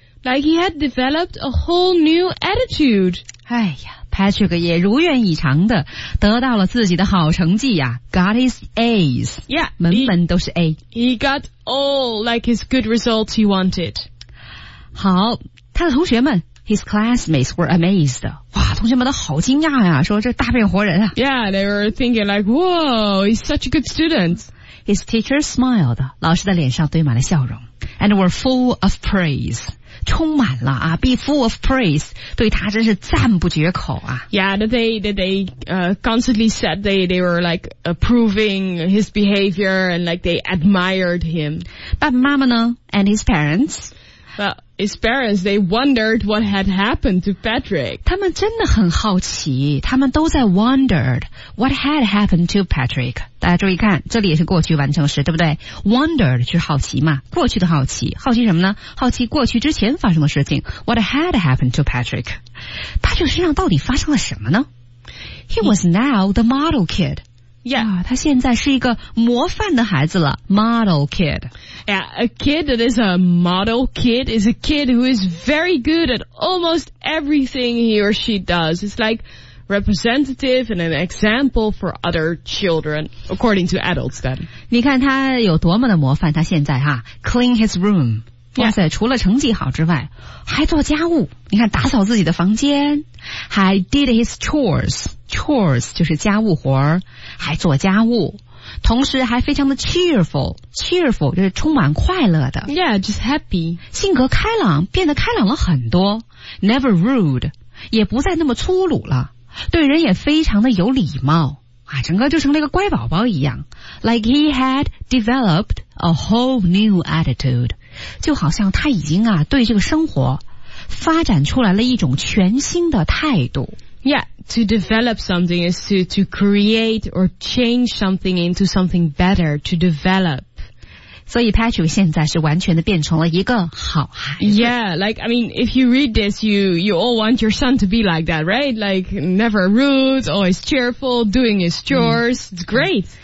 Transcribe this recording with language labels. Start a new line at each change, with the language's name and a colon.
English: Like he had developed a whole new attitude.
Chinese: 哎呀 ,Patrick 也如愿以偿的得到了自己的好成绩呀。
English: Got his A's. Yeah.
Chinese: 门门都是 A.
English: He got all like his good results he wanted.
Chinese: 好他的同学们
English: ,his classmates were amazed.
Chinese: 哇同学们都好惊讶呀说这大变活人啊。
English: Yeah, they were thinking like, whoa, he's such a good student. His teacher smiled.
Chinese: 老师的脸上堆满了笑容。
English: And were full of praise.
Chinese: 充满了啊 ,
English: be full of praise,
Chinese: 对他真是赞不绝口啊。
English: Yeah, that they constantly said they were like approving his behavior and like they admired him.
Chinese: 爸爸妈妈呢 ?
English: and his parents? Well, his parents, they wondered what had happened to Patrick.
Chinese: 他们真的很好奇他们都在
English: wondered what had happened to Patrick.
Chinese: 大家注意看这里也是过去完成时对不对 ?wondered 就是好奇嘛过去的好奇。好奇什么呢好奇过去之前发生的事情 ,
English: what had happened to Patrick. Patrick
Chinese: 身上到底发生了什么呢
English: ?He was now the model kid. Yeah,
Chinese: 他现在是一个模范的孩子了 ,model kid.
English: Yeah, a kid that is a model kid is a kid who is very good at almost everything he or she does. It's like representative and an example for other children, according to adults then.
Chinese: 你看他有多么的模范他现在哈 ,
English: clean his room. 哇塞、yeah.
Chinese: 除了成绩好之外还做家务你看打扫自己的房间还
English: did his chores.
Chinese: Chores 就是家务活儿，还做家务，同时还非常的 cheerful 就是充满快乐的。
English: Yeah, just happy.
Chinese: 性格开朗，变得开朗了很多。
English: Never rude,
Chinese: 也不再那么粗鲁了，对人也非常的有礼貌啊，整个就成了一个乖宝宝一样。
English: Like he had developed a whole new attitude,
Chinese: 就好像他已经啊对这个生活发展出来了一种全新的态度。
English: Yeah, to develop something is to create or change something into something better, to develop.
Chinese: 所以 Patrick 现在是完全的变成了一个好孩子。
English: Yeah, like, I mean, if you read this, you all want your son to be like that, right? Like, never rude, always cheerful, doing his chores,、it's great.